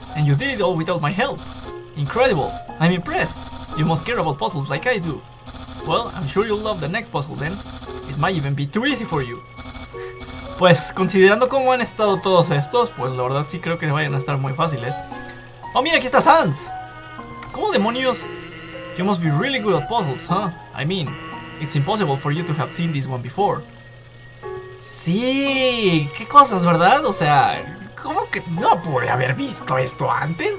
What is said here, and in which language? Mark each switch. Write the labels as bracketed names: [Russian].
[English] And you did it all without my help. Incredible. I'm impressed. You must care about puzzles like I do. Well, I'm sure you'll love the next puzzle then. It might even be too easy for you. [Spanish] Pues, considerando cómo han estado todos estos, pues la verdad sí creo que vayan a estar muy fáciles. Oh, mira, aquí está Sans. ¿Cómo demonios? [English] You must be really good at puzzles, huh? I mean, it's impossible for you to have seen this one before. [Spanish] Sí, qué cosas, ¿verdad? O sea, ¿cómo que no pude haber visto esto antes?